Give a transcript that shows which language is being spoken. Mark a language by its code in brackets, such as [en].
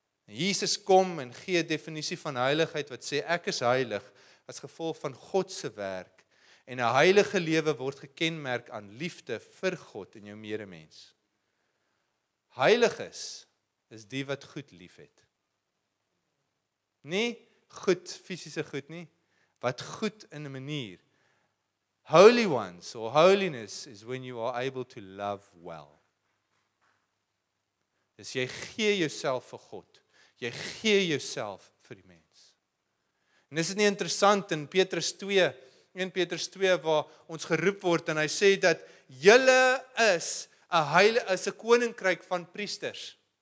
[af] En Jesus kom en gee definisie van heiligheid, wat sê, ek is heilig, as gevolg van Godse werk, en 'n heilige lewe word gekenmerk aan liefde vir God en jou medemens. Heilig is die wat goed lief het. Nie, goed, fisiese goed nie, wat goed in 'n manier. [en] Holy ones, or holiness, is when you are able to love well. [af] Dus jy gee jouself vir God, jy gee jouself vir die mens. En is dit nie interessant in Petrus 2, 1 Petrus 2, waar ons geroep word, en hy sê dat julle is 'n koninkryk van priesters.